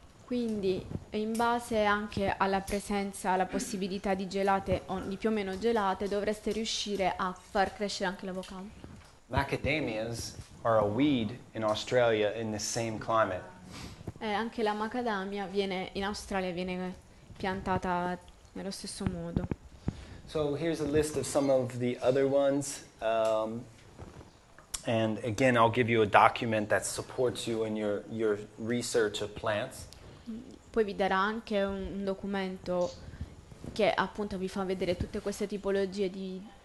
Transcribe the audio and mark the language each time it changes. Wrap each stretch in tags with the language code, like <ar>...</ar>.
<it>Quindi, in base anche alla presenza, alla possibilità di gelate o di più o meno gelate, dovreste riuscire a far crescere anche l'avocado.</it> <en>Macadamias are a weed in Australia in the same climate.</en> <it>Anche la macadamia viene in Australia viene piantata nello stesso modo.</it> <en>So here's a list of some of the other ones. And again, I'll give you a document that supports you in your research of plants.</en> <it>Poi vi darà anche un documento che appunto vi fa vedere tutte queste tipologie di</it>